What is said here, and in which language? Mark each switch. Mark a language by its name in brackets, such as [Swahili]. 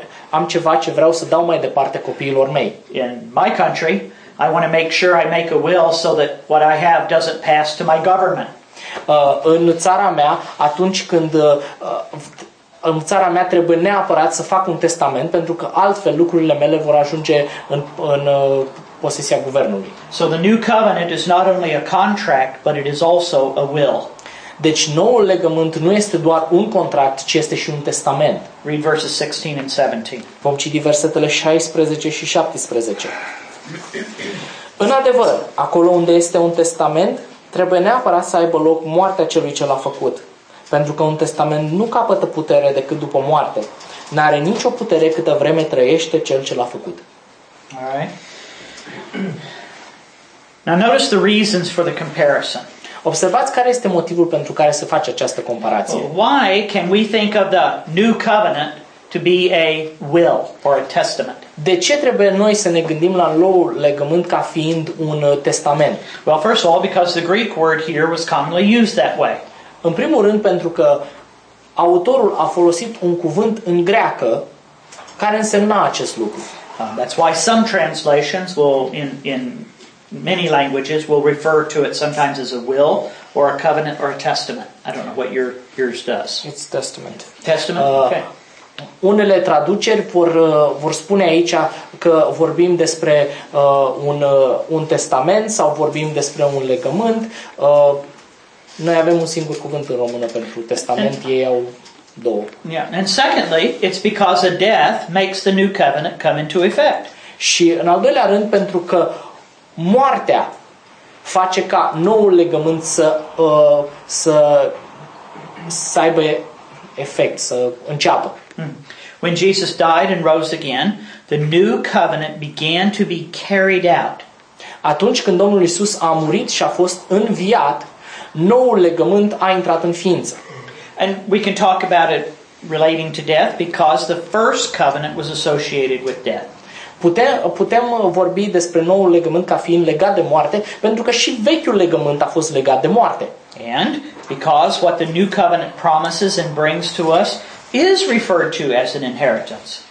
[Romanian] Am ceva ce vreau să dau mai departe copiilor mei. [English] In my country, I want to make sure I make a will so that what I have doesn't pass to my government. [Romanian] În țara mea, atunci când în țara mea trebuie neapărat să fac un testament pentru că altfel lucrurile mele vor ajunge în posesia guvernului. [English] So the new covenant is not only a contract, but it is also a will. [Romanian] Deci noul legământ nu este doar un contract, ci este și un testament. [English] Read verses 16 and 17. [Romanian] Vom citi versetele 16 și 17. În adevăr, acolo unde este un testament, trebuie neapărat să aibă loc moartea celui ce l-a făcut. Pentru că un testament nu capătă putere decât după moarte. N-are nicio putere câtă vreme trăiește cel ce l-a făcut. [English] All right. Now notice the reasons for the comparison. [Romanian] Observați care este motivul pentru care se face această comparație. [English] Why can we think of the new covenant to be a will or a testament? [Romanian] De ce trebuie noi să ne gândim la noul legământ ca fiind un testament? [English] Well, first of all, because the Greek word here was commonly used that way. [Romanian] În primul rând, pentru că autorul a folosit un cuvânt în greacă care însemna acest lucru. [English] That's why some translations will in many languages will refer to it sometimes as a will or a covenant or a testament. I don't know what yours does. It's testament. Testament? Okay. [Romanian] Unele traduceri vor spune aici că vorbim despre un testament sau vorbim despre un legământ. Noi avem un singur cuvânt în română pentru testament, ei au două. [English] Yeah. And secondly, it's because a death makes the new covenant come into effect. [Romanian] Și în al doilea rând, pentru că moartea face ca noul legământ să aibă efect, să înceapă. [English] When Jesus died and rose again, the new covenant began to be carried out. [Romanian] Atunci când Domnul Iisus a murit și a fost înviat, noul legământ a intrat în ființă. [English] And we can talk about it relating to death because the first covenant was associated with death. [Romanian] Putem vorbi despre noul legământ ca fiind legat de moarte, pentru că și vechiul legământ a fost legat de moarte. [English] And because what the new covenant promises and brings to us is referred to as an inheritance.